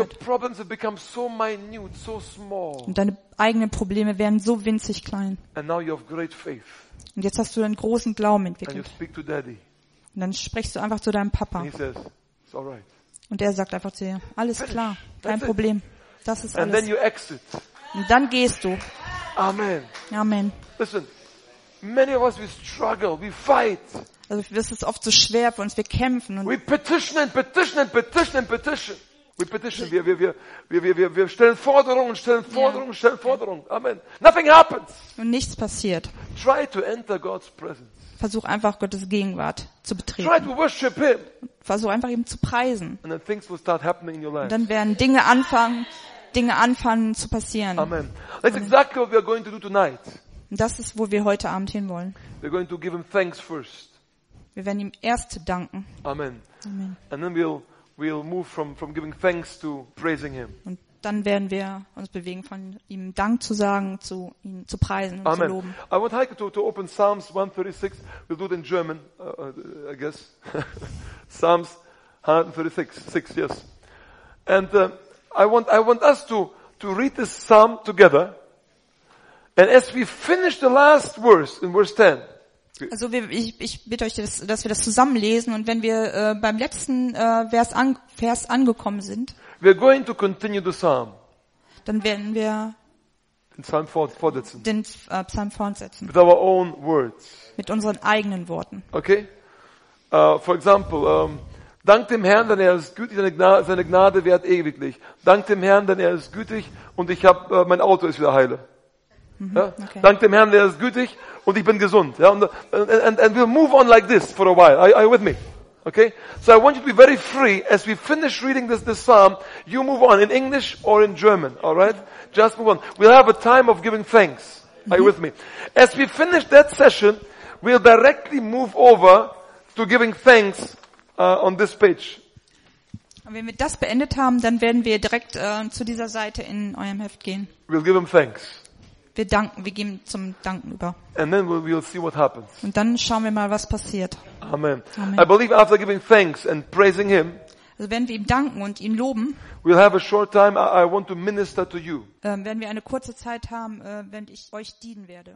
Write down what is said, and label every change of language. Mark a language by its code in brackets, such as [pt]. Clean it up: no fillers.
[en] And your problems have become so minute, so small. [de] Und deine eigenen Probleme werden so winzig klein. [en] And now you have great faith. [de] Und jetzt hast du einen großen Glauben entwickelt. [en] And you speak to Daddy. [de] Und dann sprichst du einfach zu deinem Papa. [en] And he says, it's all right. [de] Und er sagt einfach zu dir, alles Finish. Klar, kein Problem. Das ist [en] And [de] alles. [en] Then you exit. [de] Und dann gehst du. [en] Amen. Amen. Listen. Many of us we struggle, we fight. [de] Also das ist oft so schwer für uns. Wir kämpfen und [en] we petition and petition and petition and petition. We petition. [de] Wir stellen Forderungen, stellen Forderungen, yeah. stellen Forderungen. Amen. [en] Nothing happens. [de] Und nichts passiert. [en] Try to enter God's presence. [de] Versuch einfach Gottes Gegenwart zu betreten. [en] Try to worship Him. [de] Versuch einfach ihm zu preisen. [en] And then things will start happening in your life. [de] Und dann werden Dinge anfangen zu passieren. [en] Amen. That's exactly what we are going to do tonight. [de] Das ist, wo wir heute Abend hinwollen. [en] We're going to give him thanks first. [de] Wir werden ihm erst danken. [en] Amen. Amen. And then we'll move from giving thanks to praising him. [de] Und dann werden wir uns bewegen, von ihm Dank zu sagen, zu ihn zu preisen und [en] Amen. [de] Zu loben. [en] I want Heike to open Psalms 136. We'll do it in German, I guess. Psalms 136, 6, yes. And I want us to read this psalm together. And as we finish the last verse in verse 10. [de] Also ich bitte euch, dass wir das zusammenlesen und wenn wir beim letzten Vers angekommen sind, [en] we're going to continue the psalm. [de] Dann werden wir den Psalm fortsetzen. [en] With our own words. [de] Mit unseren eigenen Worten. [en] Okay? For example, [de] dank dem Herrn, denn er ist gütig, seine Gnade währt ewiglich. Dank dem Herrn, denn er ist gütig und ich habe mein Auto ist wieder heile. Ja? Okay. Dank dem Herrn, der ist gütig und ich bin gesund. Ja? [en] And we'll move on like this for a while. Are you with me? Okay? So I want you to be very free as we finish reading this psalm. You move on in English or in German. All right? Just move on. We'll have a time of giving thanks. Are you with me? As we finish that session, we'll directly move over to giving thanks on this page. [de] Wenn wir das beendet haben, dann werden wir direkt zu dieser Seite in eurem Heft gehen. [en] We'll give him thanks. [de] Wir danken, wir geben zum Danken über. [en] And then we'll see what happens. [de] Und dann schauen wir mal, was passiert. [en] Amen. Amen. I believe after giving thanks and praising him, [de] also werden wir ihm danken und ihn loben. [en] We'll have a short time. I want to minister to you. [de] Werden wir eine kurze Zeit haben, während ich euch dienen werde.